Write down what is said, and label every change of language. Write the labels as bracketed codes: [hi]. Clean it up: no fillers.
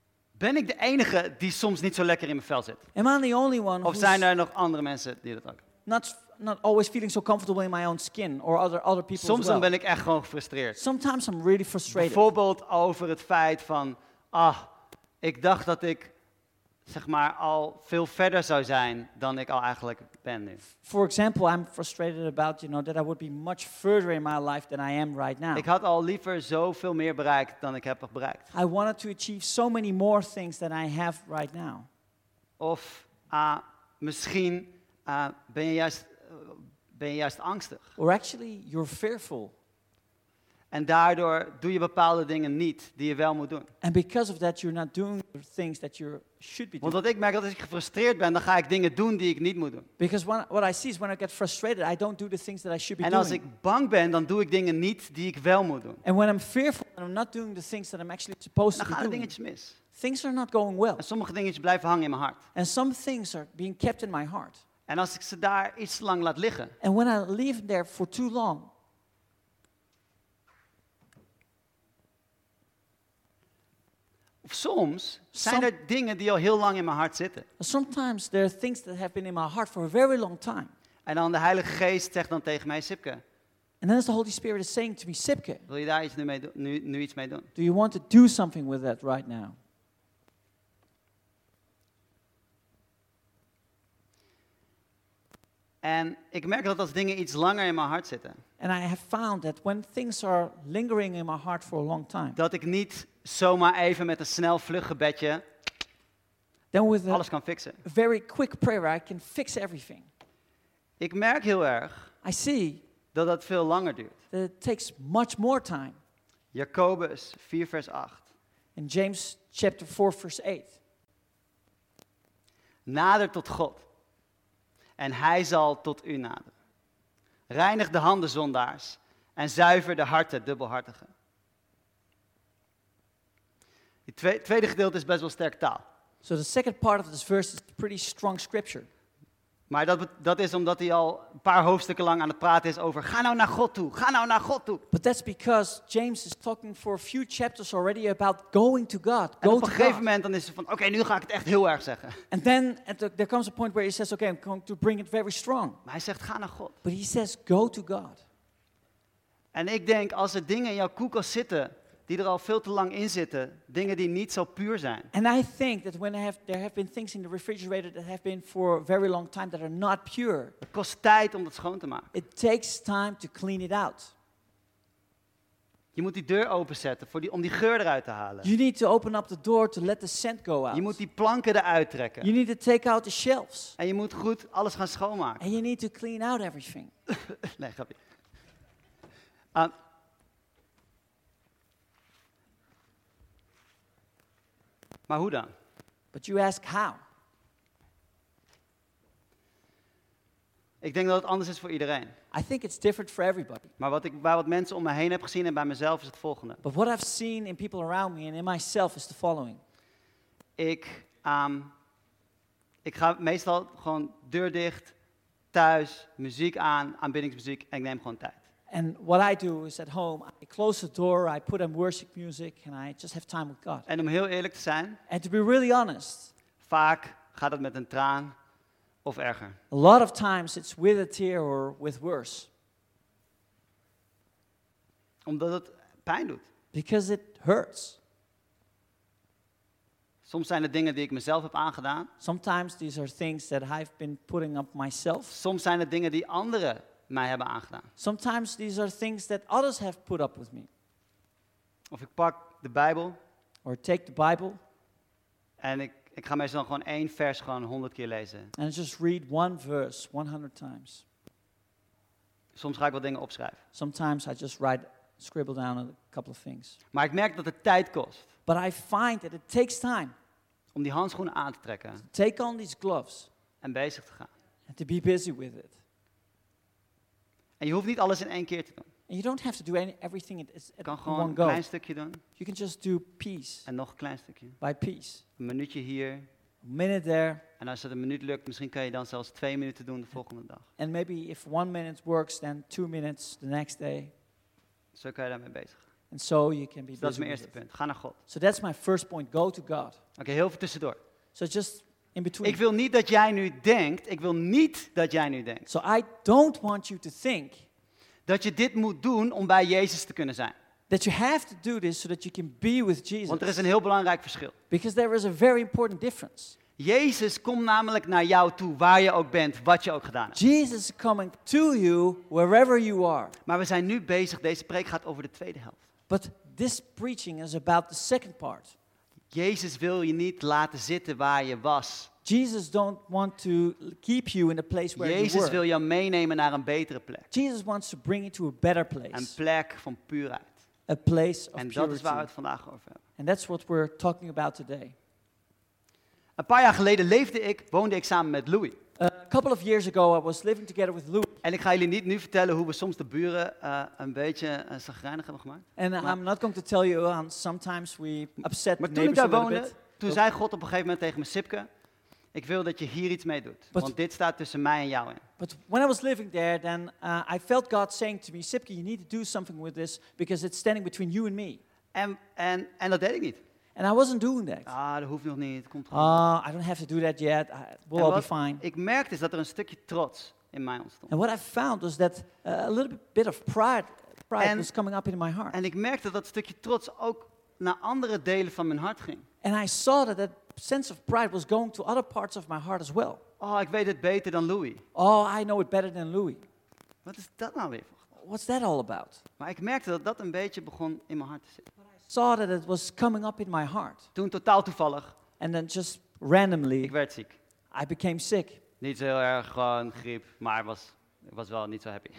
[nl] Ben ik de enige die soms niet zo lekker in mijn vel zit? [en] Am I the only one? [nl] Of zijn er nog andere mensen die dat ook? [en] Not always feeling so comfortable in my own skin or other people. [nl] Soms [en] as well. [nl] Ben ik echt gewoon gefrustreerd. [en] Sometimes I'm really frustrated. [nl] Bijvoorbeeld over het feit van, ik dacht dat ik zeg maar al veel verder zou zijn dan ik al eigenlijk ben nu. [en] For example, I'm frustrated about, you know, that I would be much further in my life than I am right now. [nl] Ik had al liever zoveel meer bereikt dan ik heb bereikt. [en] I wanted to achieve so many more things than I have right now. [nl] Of misschien ben je juist angstig? [en] Or actually, you're fearful. [nl] En daardoor doe je bepaalde dingen niet die je wel moet doen. [en] And because of that, you're not doing the things that you should be doing. [nl] Want wat ik merk dat als ik gefrustreerd ben, dan ga ik dingen doen die ik niet moet doen. [en] Because what I see is when I get frustrated, I don't do the things that I should be doing. [nl] En als ik bang ben, dan doe ik dingen niet die ik wel moet doen. [en] And when I'm fearful, I'm not doing the things that I'm actually supposed to [nl] do. Dan gaan dingetjes mis. [en] Things are not going well. [nl] En sommige dingetjes blijven hangen in mijn hart. [en] And some things are being kept in my heart. [nl] En als ik ze daar iets te lang laat liggen. [en] And when I leave there for too long. [nl] Of soms zijn er dingen die al heel lang in mijn hart zitten. [en] Sometimes there are things that have been in my heart for a very long time. [nl] En dan de Heilige Geest zegt dan tegen mij, Sipke. [en] And then the Holy Spirit is saying to me, Sipke. [nl] Wil je daar iets nu iets mee doen? [en] Do you want to do something with that right now? [nl] En ik merk dat als dingen iets langer in mijn hart zitten. [en] And I have found that when things are lingering in my heart for a long time. [nl] Dat ik niet zomaar even met een snel vlug gebedje alles kan fixen. [en] A very quick prayer I can fix everything. [nl] Ik merk heel erg. [en] I see. [nl] Dat veel langer duurt. [en] That it takes much more time. [nl] Jacobus 4 vers 8. [en] In James chapter 4 verse 8. [nl] Nader tot God. En hij zal tot u naderen. Reinig de handen zondaars. En zuiver de harten dubbelhartigen. Het tweede gedeelte is best wel sterk taal. [en] So the second part of this verse is pretty strong scripture. [nl] Maar dat is omdat hij al een paar hoofdstukken lang aan het praten is over ga nou naar God toe, ga nou naar God toe. [en] But that's because James is talking for a few chapters already about going to God. [nl] En op een gegeven moment dan is hij van oké, nu ga ik het echt heel erg zeggen. [en] And then there comes a point where he says okay, I'm going to bring it very strong. [nl] Maar hij zegt ga naar God. [en] But he says go to God. [nl] En ik denk als er dingen in jouw koelkast zitten die er al veel te lang in zitten, dingen die niet zo puur zijn. [en] And I think that when there have been things in the refrigerator that have been for a very long time that are not pure. [nl] Het kost tijd om dat schoon te maken. [en] It takes time to clean it out. [nl] Je moet die deur openzetten om die geur eruit te halen. [en] You need to open up the door to let the scent go out. [nl] Je moet die planken eruit trekken. [en] You need to take out the shelves. [nl] En je moet goed alles gaan schoonmaken. [en] And you need to clean out everything. [nl] Nee, grapje. Maar hoe dan? [en] But you ask how? [nl] Ik denk dat het anders is voor iedereen. [en] I think it's different for everybody. [nl] Maar wat mensen om me heen heb gezien en bij mezelf is het volgende. [en] But what I've seen in people around me and in myself is the following. [nl] Ik ga meestal gewoon deur dicht, thuis, muziek aan, aanbiddingsmuziek en ik neem gewoon tijd. [en] And what I do is at home, I close the door, I put on worship music, and I just have time with God. [nl] En om heel eerlijk te zijn. [en] And to be really honest. [nl] Vaak gaat het met een traan of erger. [en] A lot of times it's with a tear or with worse. [nl] Omdat het pijn doet. [en] Because it hurts. [nl] Soms zijn het dingen die ik mezelf heb aangedaan. [en] Sometimes these are things that I've been putting up myself. [nl] Soms zijn het dingen die anderen mij hebben aangedaan. [en] Sometimes these are things that others have put up with me. [nl] Of ik pak de Bijbel. [en] Or take the Bible. [nl] En ik ga meestal gewoon één vers gewoon 100 keer lezen. [en] And I just read one verse 100 times. [nl] Soms ga ik wat dingen opschrijven. [en] Sometimes I just scribble down a couple of things. [nl] Maar ik merk dat het tijd kost. [en] But I find that it takes time. [nl] Om die handschoenen aan te trekken. [en] To take on these gloves. [nl] En bezig te gaan. [en] And to be busy with it. [nl] En je hoeft niet alles in één keer te doen. [en] And you don't have to do everything at one go. [nl] Kan gewoon een klein stukje doen. [en] You can just do piece. [nl] En nog een klein stukje. [en] By piece. [nl] Een minuutje hier. [en] A minute there. [nl] En als dat een minuut lukt, misschien kan je dan zelfs 2 minuten doen de volgende dag. [en] And maybe if 1 minute works, then 2 minutes the next day. [nl] Zo kan je daarmee bezig. [en] And so you can be busy. [nl] Dat is mijn eerste punt. Ga naar God. [en] So that's my first point. Go to God. [nl] Oké, heel veel tussendoor. [en] So just in between. [nl] Ik wil niet dat jij nu denkt. Ik wil niet dat jij nu denkt. [en] So I don't want you to think [nl] dat je dit moet doen om bij Jezus te kunnen zijn. [en] That you have to do this so that you can be with Jesus. [nl] Want er is een heel belangrijk verschil. [en] Because there is a very important difference. [nl] Jezus komt namelijk naar jou toe, waar je ook bent, wat je ook gedaan hebt. [en] Jesus is coming to you wherever you are. [nl] Maar we zijn nu bezig. Deze preek gaat over de tweede helft. [en] But this preaching is about the second part. [nl] Jezus wil je niet laten zitten waar je was. [en] Jesus don't want to keep you in a place where [nl] Jezus [en] you were. [nl] Jezus wil jou meenemen naar een betere plek. [en] Jesus wants to bring you to a better place. [nl] Een plek van puurheid. [en] A place of [nl] en [en] purity. [nl] En dat is waar we het vandaag over hebben. [en] And that's what we're talking about today. [nl] Een paar jaar geleden woonde ik samen met Louis. [en] A couple of years ago I was living together with Louis. [nl] En ik ga jullie niet nu vertellen hoe we soms de buren een beetje chagrijnig hebben gemaakt. [en] And maar I'm not going to tell you sometimes we upset [nl] maar toen ik daar woonde, toen zei God op een gegeven moment tegen me, Sipke, Ik wil dat je hier iets mee doet, want dit staat tussen mij en jou in. [en] But when I was living there, then I felt God saying to me, Sipke, you need to do something with this because it's standing between you and me. [nl] En dat deed ik niet. [en] And I wasn't doing that. [nl] Ah, dat hoeft nog niet. Komt [en] I don't have to do that yet. We'll all be fine. [nl] Ik merkte is dat er een stukje trots in mij ontstond. [en] And what I found was that a little bit of pride was coming up in my heart. [nl] En ik merkte dat stukje trots ook naar andere delen van mijn hart ging. [en] And I saw that sense of pride was going to other parts of my heart as well. [nl] Oh, ik weet het beter dan Louis. [en] Oh, I know it better than Louis. [nl] Wat is dat nou weer? [en] What's that all about? [nl] Maar ik merkte dat dat een beetje begon in mijn hart te zitten. [en] Saw that it was coming up in my heart. [nl] Toen totaal toevallig. [en] And then just randomly. [nl] Ik werd ziek. [en] I became sick. [nl] Niet zo heel erg, gewoon griep, maar ik was wel niet zo happy.